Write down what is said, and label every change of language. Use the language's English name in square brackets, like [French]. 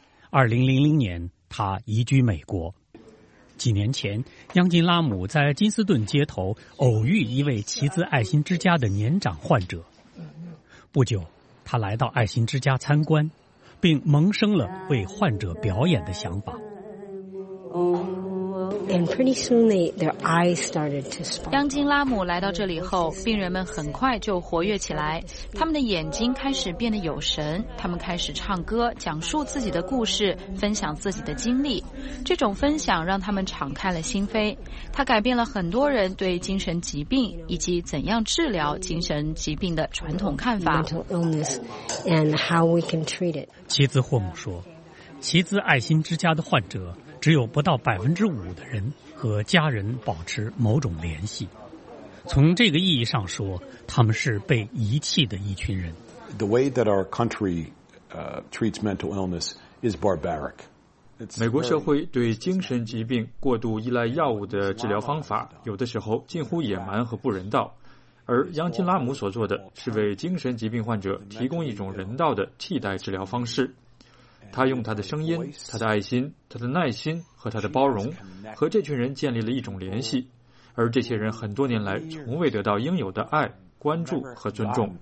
[Chinese] 2000年，他移居美国。几年前，央金拉姆在金斯顿街头偶遇一位奇兹爱心之家的年长患者。不久，他来到爱心之家参观，并萌生了为患者表演的想法。 [English] And pretty soon their eyes started to spark. [Chinese] 央金拉姆来到这里后，病人们很快就活跃起来，他们的眼睛开始变得有神，他们开始唱歌，讲述自己的故事，分享自己的经历。这种分享让他们敞开了心扉，它改变了很多人对精神疾病以及怎样治疗精神疾病的传统看法。 [English] Mental illness and how we can treat it. [Chinese] 奇兹霍姆说，奇兹爱心之家的患者只有不到5%的人和家人保持某种联系。从这个意义上说，他们是被遗弃的一群人。 [English] The way that our country treats mental illness is barbaric. [Chinese] 美国社会对精神疾病过度依赖药物的治疗方法，有的时候近乎野蛮和不人道。而央金拉姆所做的是为精神疾病患者提供一种人道的替代治疗方式。他用他的声音、他的爱心、他的耐心和他的包容和这群人建立了一种联系，而这些人很多年来从未得到应有的爱、关注和尊重。